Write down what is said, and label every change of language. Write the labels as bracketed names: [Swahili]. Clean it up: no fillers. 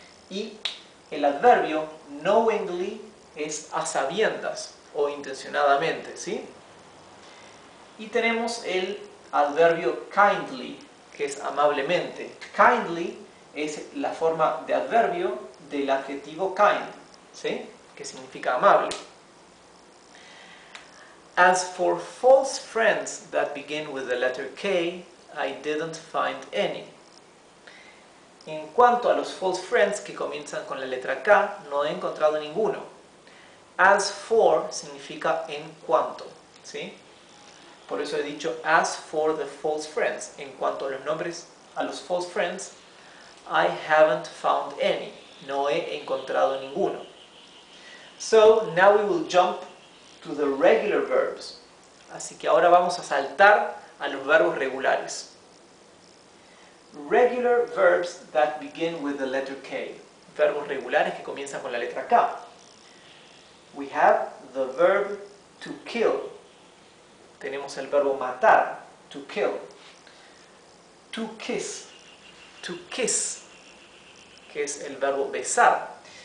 [Spanish] Y el adverbio knowingly es a sabiendas o intencionadamente, ¿sí? Y tenemos el adverbio kindly, que es amablemente. Kindly es la forma de adverbio del adjetivo kind, ¿sí? Que significa amable. [English] As for false friends that begin with the letter K, I didn't find any. [Spanish] En cuanto a los false friends que comienzan con la letra K, no he encontrado ninguno. As for significa en cuanto, ¿sí? Por eso he dicho [English] as for the false friends. [Spanish] En cuanto a los nombres a los false friends, [English] I haven't found any. [Spanish] No he encontrado ninguno. [English] So now we will jump to the regular verbs. [Spanish] Así que ahora vamos a saltar a los verbos regulares. [English] Regular verbs that begin with the letter K. [Spanish] Verbos regulares que comienzan con la letra K. [English] We have the verb to kill. [Spanish] Tenemos el verbo matar, [English] to kill. [Spanish] To kiss, que es el verbo besar.